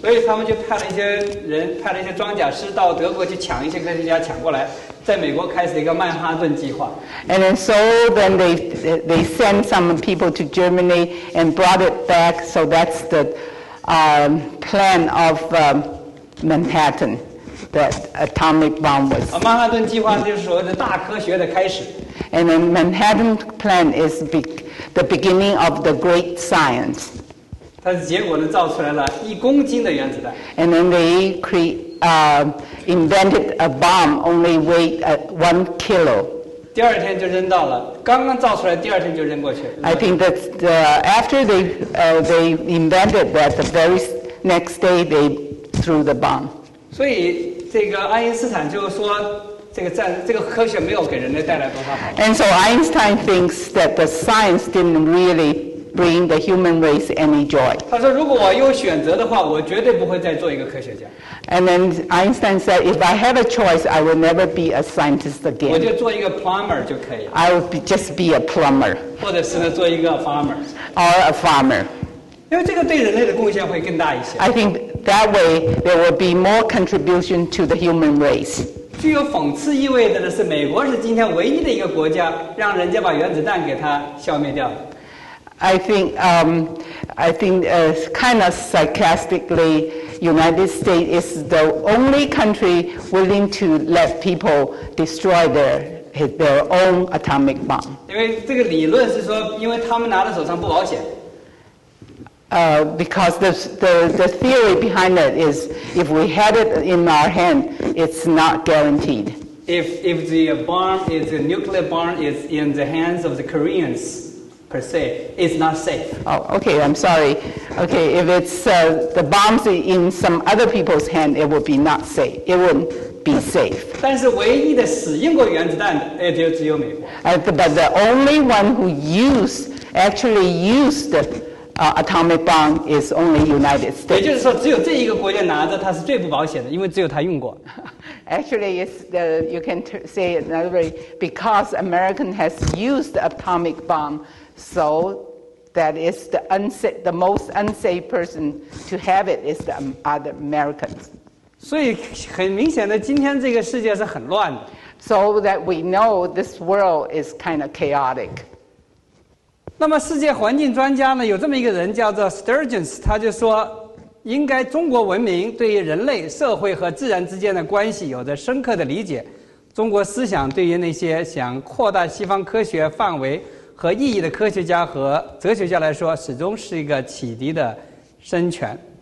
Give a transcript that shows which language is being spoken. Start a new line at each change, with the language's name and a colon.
Chinese: 所以他们就派了一些装甲师到德国去抢一些科学家抢过来。在美国开始一个曼哈顿计划。
English: And then so then they sent some people to Germany and brought it back. So that's the plan of Manhattan, that atomic bomb was.
Chinese: 曼哈顿计划就是所谓的大科学的开始。
English: And then Manhattan plan is the beginning of the great science.
Chinese: 但是结果呢，造出来了1公斤的原子弹。
English: And then they create. Invented a bomb only weighed 1 kilo.
Chinese: 第二天就扔到了，刚刚造出来，第二天就扔过去。
English: I think that after they invented that, the very next day they threw the bomb.
Chinese: 所以这个爱因斯坦就说，这个科学没有给人类带来多少好。
English: And so Einstein thinks that the science didn't really bring the human race any joy.
Chinese: 他说，如果我有选择的话，我绝对不会再做一个科学家。
English: And then Einstein said, if I have a choice, I will never be a scientist again.
Chinese: 我就做一个 plumber 就可以。
English: I will just be a plumber.
Chinese: 或者是呢，做一个 farmer.
English: Or a farmer.
Chinese: 因为这个对人类的贡献会更大一些。
English: I think that way, there will be more contribution to the human race.
Chinese: 具有讽刺意味的是，美国是今天唯一的一个国家，让人家把原子弹给它消灭掉。
English: I think kind of sarcastically, United States is the only country willing to let people destroy their own atomic bomb.
Chinese: 因为这个理论是说，因为他们拿在手上不保险。
English: Because the theory behind that is, if we had it in our hand, it's not guaranteed. If the bomb is a nuclear bomb is in the hands of the Koreans. Per se, it's not safe. Oh, okay, I'm sorry. Okay, if it's the bombs in some other people's hand, it would be not safe. It wouldn't be safe.
Chinese: 但是唯一的使用过原子弹的也只有美国。
English: But the only one who actually used the atomic bomb is only United States.
Chinese: 也就是说，只有这一个国家拿着它是最不保险的，因为只有它用过。
English: Actually, you can say it another way, because American has used the atomic bomb. So that is the most unsafe person to have it is the other Americans.
Chinese: 所以很明显的，今天这个世界是很乱的。
English: So that we know this world is kind of chaotic.
Chinese: 那么世界环境专家呢，有这么一个人叫做 Sturgis， 他就说应该中国文明对于人类社会和自然之间的关系有着深刻的理解，中国思想对于那些想扩大西方科学范围和意义的科学家和哲学家来说始终是一个启迪的深泉。